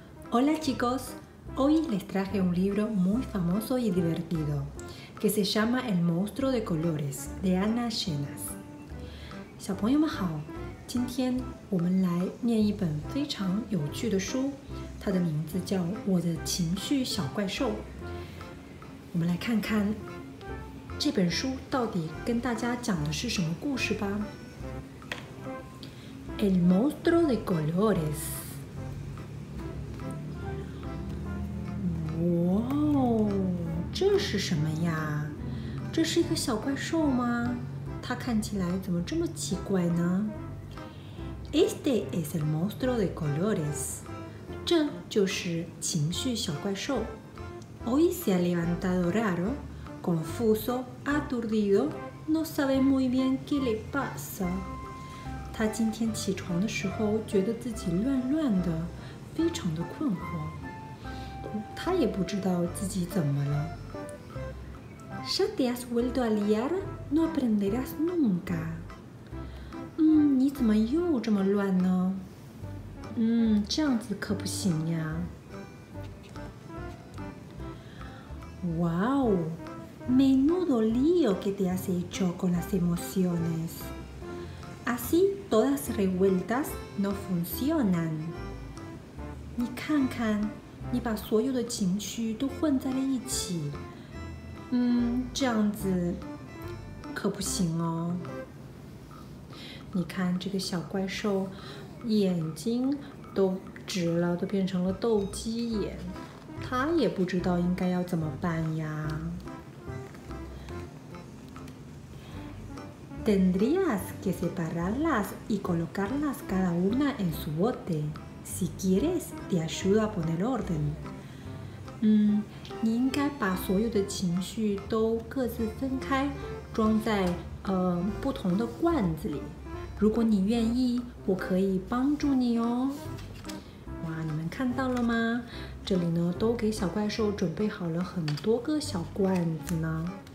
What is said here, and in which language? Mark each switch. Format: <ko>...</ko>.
<es>Hola chicos, hoy les traje un libro muy famoso y divertido que se llama El monstruo de colores de Anna Shenaz.</es> <zh>小朋友们好，今天我们来念一本非常有趣的书，它的名字叫《我的情绪小怪兽》。我们来看看这本书到底跟大家讲的是什么故事吧。</zh> <es>El monstruo de colores。</es> <zh>哇哦，这是什么呀？这是一个小怪兽吗？它看起来怎么这么奇怪呢？</zh> <es>Este es el monstruo de colores.</es> <zh>这就是情绪小怪兽。</zh> <es>Hoy se ha levantado raro, confuso, aturdido, no sabe muy bien qué le pasa.</es> <zh>他今天起床的时候觉得自己乱乱的，非常的困惑。他也不知道自己怎么了。</zh> <es>Ya te has vuelto a liar, no aprenderás nunca.</es> <zh>你怎么又这么乱呢？这样子可不行呀。</zh> <es>Wow, menudo lío que te has hecho con las emociones. Así todas revueltas no funcionan.</es> <zh>你看看，你把所有的情绪都混在了一起。这样子可不行哦。你看这个小怪兽，眼睛都直了，都变成了斗鸡眼，他也不知道应该要怎么办呀。</zh> <es>Tendrías que separarlas y colocarlas cada una en su bote. Si quieres, te ayudo a poner orden.</es> <zh>你应该把所有的情绪都各自分开，装在不同的罐子里。如果你愿意，我可以帮助你哦。哇，你们看到了吗？这里呢，都给小怪兽准备好了很多个小罐子呢。</zh>